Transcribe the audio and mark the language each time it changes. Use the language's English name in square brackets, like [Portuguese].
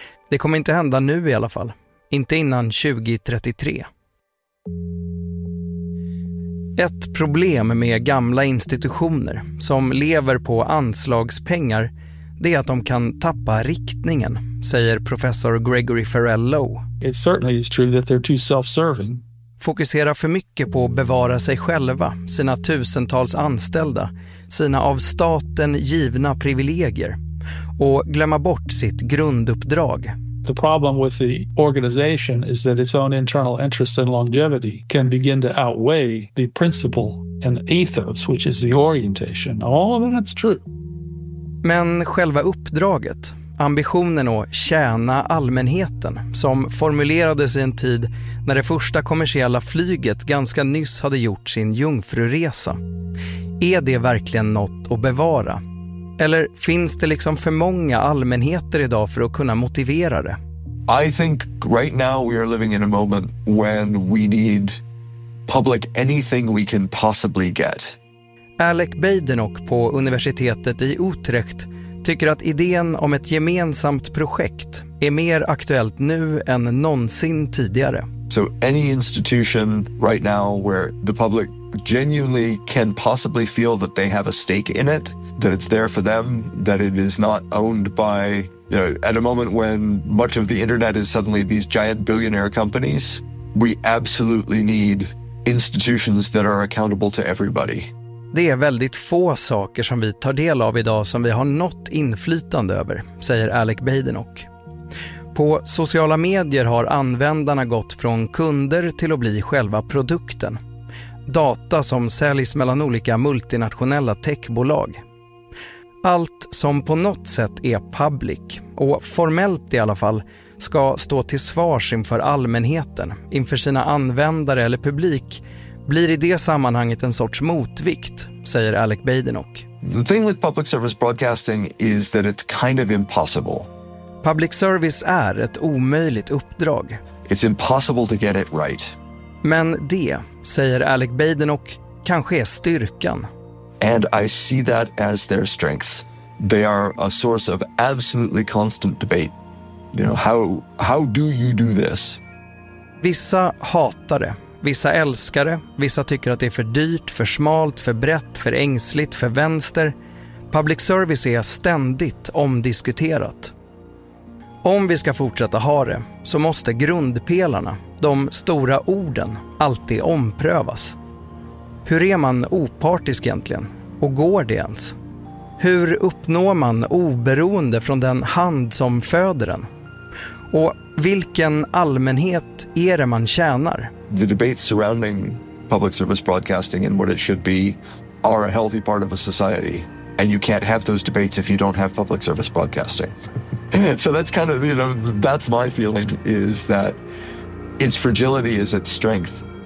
[Swedish] Det kommer inte hända nu i alla fall. Inte innan 2033. Ett problem med gamla institutioner som lever på anslagspengar, det är att de kan tappa riktningen, säger professor Gregory Farrell Lowe. [English] It certainly is true that they're too self-serving. [Swedish] Fokusera för mycket på att bevara sig själva, sina tusentals anställda, sina av staten givna privilegier och glömma bort sitt grunduppdrag. [English] The problem with the organization is that its own internal interests and longevity can begin to outweigh the principle and ethos, which is the orientation. All of that's true. [Swedish] Men själva uppdraget, ambitionen att tjäna allmänheten, som formulerades i en tid när det första kommersiella flyget ganska nyss hade gjort sin jungfruresa. Är det verkligen något att bevara? Eller finns det liksom för många allmänheter idag för att kunna motivera det? [English] I think right now we are living in a moment when we need public anything we can possibly get. [Swedish] Alec Badenoch på universitetet i Utrecht tycker att idén om ett gemensamt projekt är mer aktuellt nu än någonsin tidigare. [English] So any institution right now where the public genuinely can possibly feel that they have a stake in it, that it's there for them, that it is not owned by, you know, at a moment when much of the internet is suddenly these giant billionaire companies, we absolutely need institutions that are accountable to everybody. [Swedish] Det är väldigt få saker som vi tar del av idag som vi har något inflytande över, säger Alec Badenoch. På sociala medier har användarna gått från kunder till att bli själva produkten. Data som säljs mellan olika multinationella techbolag. Allt som på något sätt är public, och formellt i alla fall, ska stå till svars inför allmänheten, inför sina användare eller publik, blir i det sammanhanget en sorts motvikt, säger Alec Badenoch. [English] The thing with public service broadcasting is that it's kind of impossible. [Swedish] Public service är ett omöjligt uppdrag. [English] It's impossible to get it right. [Swedish] Men det, säger Alec Badenoch, kanske är styrkan. [English] And I see that as their strength. They are a source of absolutely constant debate. You know, how do you do this? [Swedish] Vissa hatar det. Vissa älskar det. Vissa tycker att det är för dyrt, för smalt, för brett, för ängsligt, för vänster. Public service är ständigt omdiskuterat. Om vi ska fortsätta ha det, så måste grundpelarna, de stora orden, alltid omprövas. Hur är man opartisk egentligen? Och går det ens? Hur uppnår man oberoende från den hand som föder den? Och vilken allmänhet är det man tjänar? [English] The debates surrounding public service broadcasting and what it should be are a healthy part of a society. And you can't have those debates if you don't have public service broadcasting. So that's kind of, you know, that's my feeling, is that its fragility is its strength.